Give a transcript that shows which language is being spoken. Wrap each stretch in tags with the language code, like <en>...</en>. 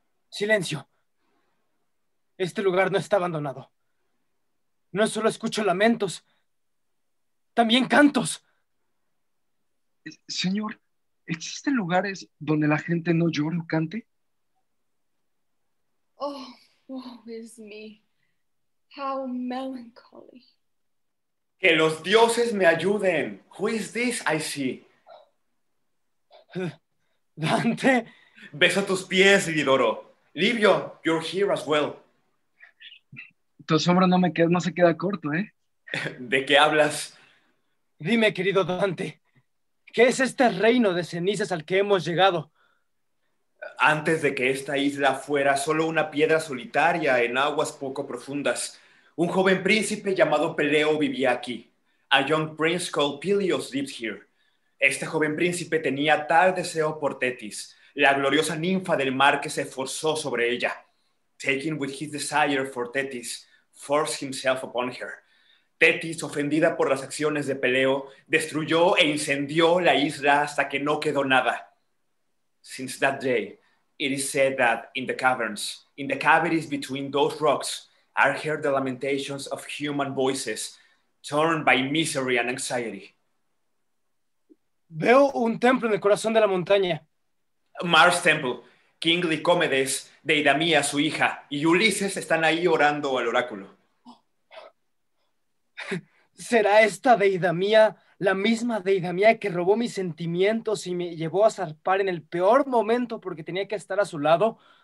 <es>Silencio. Este lugar no está abandonado. No solo escucho lamentos, también cantos. Señor, ¿existen lugares donde la gente no llore o cante?</es> <en>Oh, woe is me. How melancholy.</en> <es>Que los dioses me ayuden.</es> <en>Who is this I see?</en> <es>Dante. Beso tus pies, Lidoro.</es> <en>Libio, you're here as well.</en> <es>Tu sombra no se queda corto, ¿eh? ¿De qué hablas? Dime, querido Dante, ¿qué es este reino de cenizas al que hemos llegado? Antes de que esta isla fuera solo una piedra solitaria en aguas poco profundas, un joven príncipe llamado Peleo vivía aquí.</es> <en>A young prince called Peleos lived here.</en> <es>Este joven príncipe tenía tal deseo por Thetis, la gloriosa ninfa del mar que se esforzó sobre ella.</es> <en>Taken with his desire for Thetis, forced himself upon her.</en> <es>Thetis, ofendida por las acciones de Peleo, destruyó e incendió la isla hasta que no quedó nada.</es> <en>Since that day, it is said that in the caverns, in the cavities between those rocks, are heard the lamentations of human voices, torn by misery and anxiety.</en> <es>Veo un templo en el corazón de la montaña. Mars Temple, King Licomedes, Deidamia, su hija, y Ulysses están ahí orando al oráculo. ¿Será esta Deidamia la misma Deidamia que robó mis sentimientos y me llevó a zarpar en el peor momento porque tenía que estar a su lado?</es>